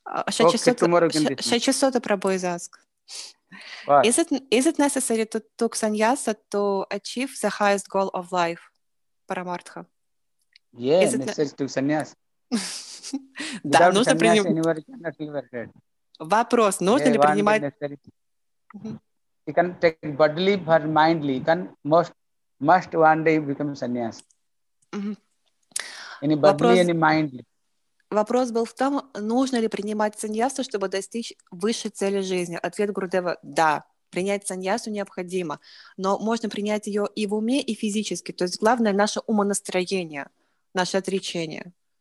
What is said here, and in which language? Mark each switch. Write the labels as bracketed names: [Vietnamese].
[English] Шачи сота пробой заск. Is it necessary to talk sannyasa to achieve the highest goal of life? Paramartha. Yeah, necessary to sannyasa. [Russian] Да, нужно принимать. Вопрос, нужно ли принимать? [English] You can take bodily but mindly, can must one day become sannyas. Any bodily, any mindly. [Russian] Вопрос был в том, нужно ли принимать саньясу, чтобы достичь высшей цели жизни. Ответ Гурудева — да, принять саньясу необходимо, но можно принять ее и в уме, и физически. То есть главное — наше умонастроение, наше отречение.